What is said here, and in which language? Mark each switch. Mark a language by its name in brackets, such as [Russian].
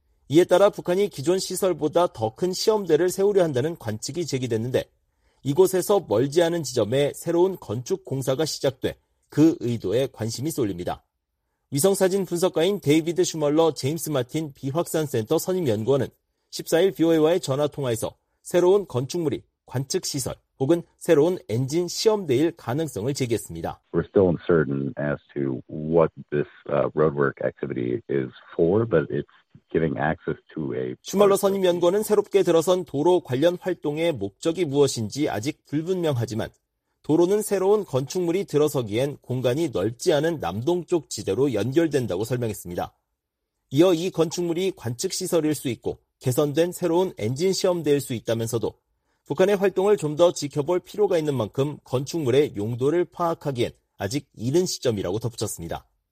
[Korean] 이에 따라 북한이 기존 시설보다 더 큰 시험대를 세우려 한다는 관측이 제기됐는데 이곳에서 멀지 않은 지점에 새로운 건축 공사가 시작돼 그 의도에 관심이 쏠립니다. 위성사진 분석가인 데이비드 슈멀러 제임스 마틴 비확산센터 선임연구원은 14일 BOA와의 전화통화에서 새로운 건축물이 관측시설 혹은 새로운 엔진 시험대일 가능성을 제기했습니다. [English] We're still uncertain as to what this roadwork activity is for, but it's giving access to a... [Korean] 슈멀러 선임연구원은 새롭게 들어선 도로 관련 활동의 목적이 무엇인지 아직 불분명하지만 도로는 새로운 건축물이 들어서기엔 공간이 넓지 않은 남동쪽 지대로 연결된다고 설명했습니다. 이어 이 건축물이 관측시설일 수 있고 개선된 새로운 엔진 시험대일 수 있다면서도 북한의 활동을 좀 더 지켜볼 필요가 있는 만큼 건축물의 용도를 파악하기엔 아직 이른 시점이라고 덧붙였습니다.